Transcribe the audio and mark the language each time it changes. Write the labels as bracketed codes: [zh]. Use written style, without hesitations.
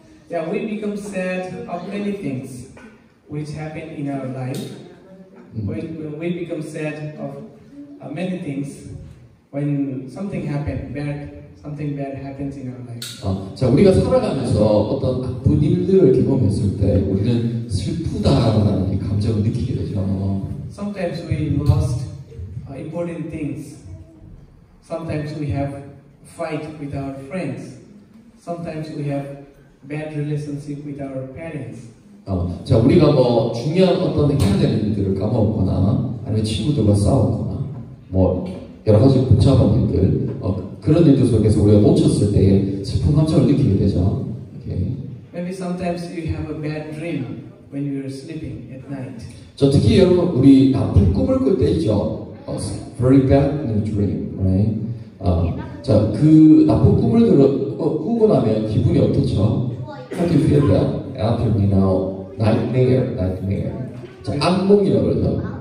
[en] Yeah, we become sad of many things which happen in our life. We become sad of many things when something happens, something bad happens in our life. [ko] 아, 자 우리가 살아가면서 어떤 아픈 일들을 경험했을 때 우리는 슬프다라는 감정을 느끼게 되죠. [en] Sometimes we lost important things. Sometimes we have fight with our friends. Sometimes we have bad relationship with our parents. [ko] 자 우리가 뭐 중요한 어떤 해야 되는 일들을 까먹거나 아니면 친구들과 싸우거나 뭐 여러 가지 복잡한 일들 그런 일들 속에서 우리가 놓쳤을 때 슬픈 감정을 느끼게 되죠. [en] Okay. Maybe sometimes you have a bad dream when you are sleeping at night. [ko] 저 특히 여러분 우리 나쁜 꿈을 꿀 때 있죠. [en] Very bad dream, right? [ko] 자, 그 나쁜 꿈을 꾸고 나면 기분이 어떻죠? [en] How do you feel that? After me now, nightmare. [ko] 자, 악몽이라고 그러죠.